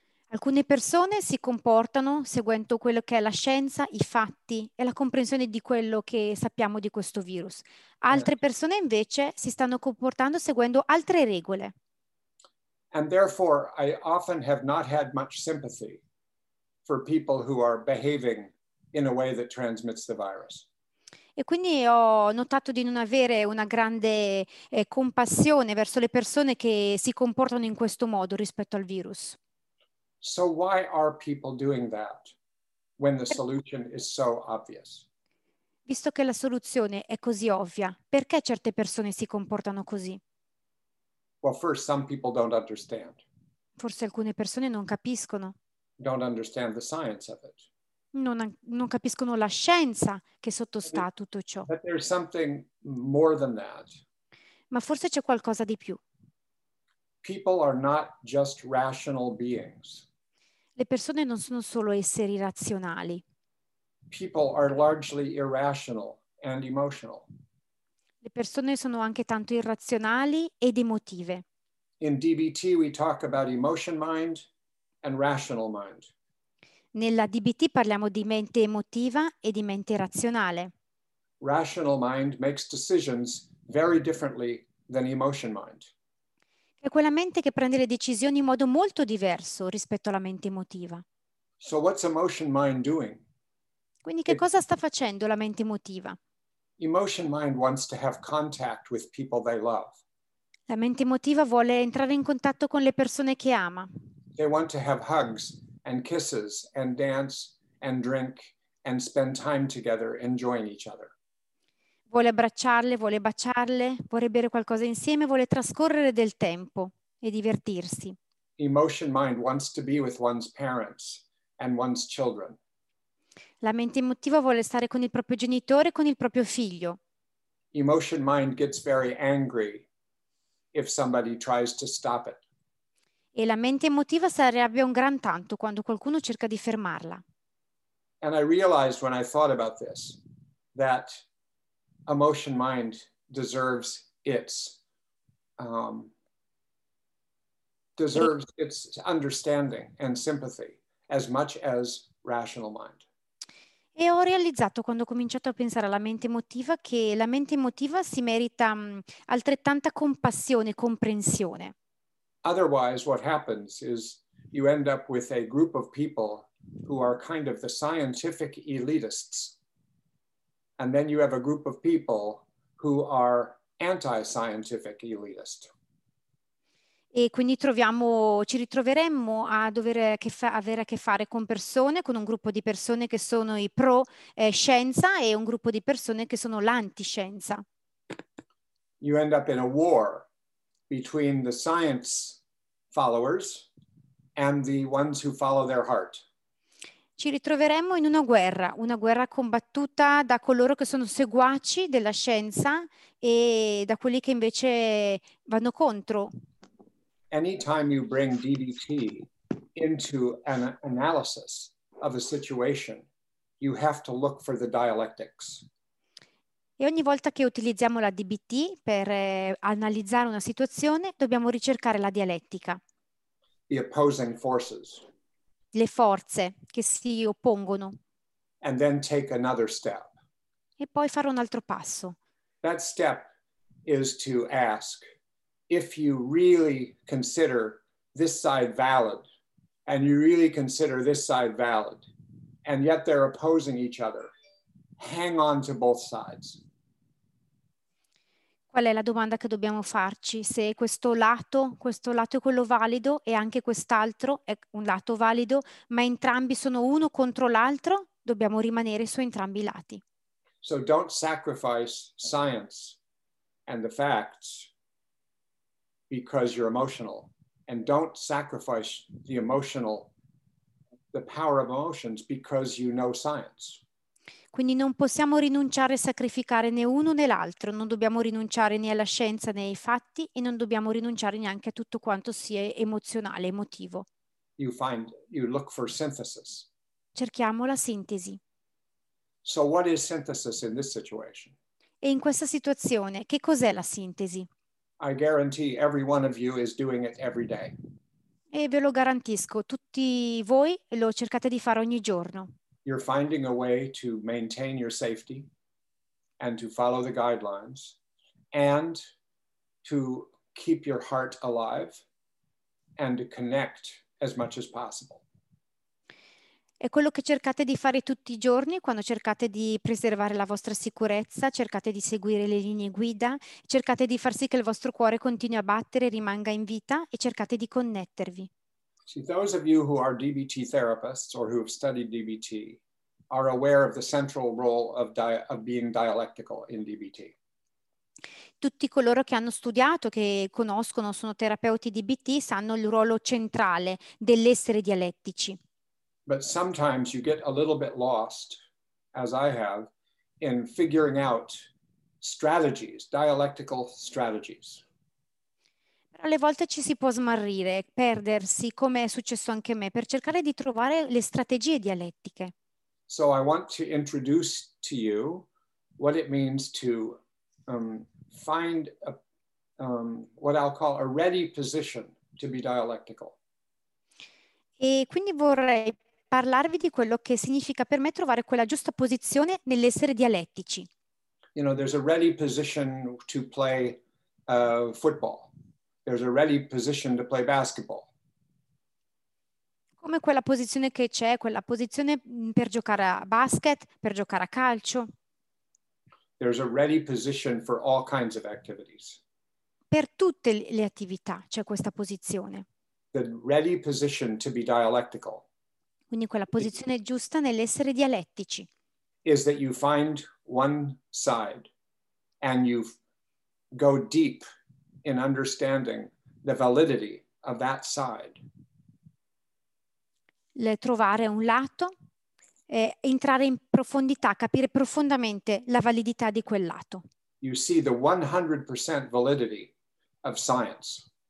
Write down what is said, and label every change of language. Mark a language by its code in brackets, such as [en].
[it] Alcune persone si comportano seguendo quello che è la scienza, i fatti e la comprensione di quello che sappiamo di questo virus. Altre persone invece si stanno comportando seguendo altre regole. [en] And therefore, I often have not had much sympathy for people who are behaving in a way that transmits the virus. [it] E quindi ho notato di non avere una grande compassione verso le persone che si comportano in questo modo rispetto al virus. [en] So why are people doing that when the solution is so obvious? [it] Visto che la soluzione è così ovvia, perché certe persone si comportano così? [en] Well, first, some people don't understand. [it] Forse alcune persone non capiscono. [en] Don't understand the science of it. [it] Non capiscono la scienza che sottostà a tutto ciò. [en] But there's something more than that. [it] Ma forse c'è qualcosa di più. [en] People are not just rational beings. [it] Le persone non sono solo esseri razionali. [en] People are largely irrational and emotional. [it] Le persone sono anche tanto irrazionali ed emotive. [en] In DBT we talk about emotion mind and rational mind. [it] Nella DBT parliamo di mente emotiva e di mente razionale. [en] Rational mind makes decisions very differently than emotion mind. [it] È quella mente che prende le decisioni in modo molto diverso rispetto alla mente emotiva. [en] So what's emotion mind doing? [it] Quindi che cosa sta facendo la mente emotiva? [en] Emotion mind wants to have contact with people they love. [it] La mente emotiva vuole entrare in contatto con le persone che ama. [en] They want to have hugs and kisses and dance and drink and spend time together enjoying each other. [it] Vuole abbracciarle, vuole baciarle, vuole bere qualcosa insieme, vuole trascorrere del tempo e divertirsi. [en] Emotion mind wants to be with one's parents and one's children. [it] La mente emotiva vuole stare con il proprio genitore e con il proprio figlio. [en] Emotion mind gets very angry if somebody tries to stop it. [it] E la mente emotiva si arrabbia un gran tanto quando qualcuno cerca di fermarla. [en] And I realized when I thought about this that emotion mind deserves its its understanding and sympathy as much as rational mind. [it] E ho realizzato quando ho cominciato a pensare alla mente emotiva che la mente emotiva si merita altrettanta compassione e comprensione. [en] Otherwise what happens is you end up with a group of people who are kind of the scientific elitists, and then you have a group of people who are anti-scientific elitist. [it] E quindi troviamo, ci ritroveremmo a dover avere a che fare con persone, con un gruppo di persone che sono i pro scienza e un gruppo di persone che sono l'antiscienza. [en] You end up in a war between the science followers and the ones who follow their heart. [it] Ci ritroveremmo in una guerra combattuta da coloro che sono seguaci della scienza e da quelli che invece vanno contro. [en] Anytime you bring DBT into an analysis of a situation, you have to look for the dialectics. [it] E ogni volta che utilizziamo la DBT per analizzare una situazione, dobbiamo ricercare la dialettica. [en] The opposing forces. [it] Le forze che si oppongono. [en] And then take another step. [it] E poi fare un altro passo. [en] That step is to ask, if you really consider this side valid, and you really consider this side valid, and yet they're opposing each other, hang on to both sides. [it] Qual è la domanda che dobbiamo farci? Se questo lato è quello valido, e anche quest'altro è un lato valido, ma entrambi sono uno contro l'altro, dobbiamo rimanere su entrambi i lati. [en] So don't sacrifice science and the facts because you're emotional, and don't sacrifice the emotional, the power of emotions because you know science. [it] Quindi non possiamo rinunciare e sacrificare né uno né l'altro, non dobbiamo rinunciare né alla scienza né ai fatti e non dobbiamo rinunciare neanche a tutto quanto sia emozionale, emotivo. [en] You find, you look for synthesis. [it] Cerchiamo la sintesi. [en] So what is synthesis in this situation? [it] E in questa situazione, che cos'è la sintesi? [en] I guarantee every one of you is doing it every day. [it] E ve lo garantisco, tutti voi lo cercate di fare ogni giorno. [en] You're finding a way to maintain your safety and to follow the guidelines and to keep your heart alive and to connect as much as possible. [it] È quello che cercate di fare tutti i giorni quando cercate di preservare la vostra sicurezza, cercate di seguire le linee guida, cercate di far sì che il vostro cuore continui a battere, rimanga in vita e cercate di connettervi. [en] See, those of you who are DBT therapists or who have studied DBT are aware of the central role of being dialectical in DBT. [it] Tutti coloro che hanno studiato, che conoscono, sono terapeuti DBT, sanno il ruolo centrale dell'essere dialettici. [en] But sometimes you get a little bit lost, as I have, in figuring out strategies, dialectical strategies. [it] Alle volte ci si può smarrire, perdersi, come è successo anche a me, per cercare di trovare le strategie dialettiche. [en] So I want to introduce to you what it means to find a, what I'll call a ready position to be dialectical. [it] E quindi vorrei parlarvi di quello che significa per me trovare quella giusta posizione nell'essere dialettici. [en] You know, there's a ready position to play football. There's a ready position to play basketball. [it] Come quella posizione che c'è, quella posizione per giocare a basket, per giocare a calcio. [en] There's a ready position for all kinds of activities. [it] Per tutte le attività c'è questa posizione. [en] The ready position to be dialectical. [it] Quindi quella posizione giusta nell'essere dialettici. [en] Is that you find one side and you go deep in understanding the validity of that side. [it] Le trovare un lato e entrare in profondità, capire profondamente la validità di quel lato. [en] You see the 100% validity of science.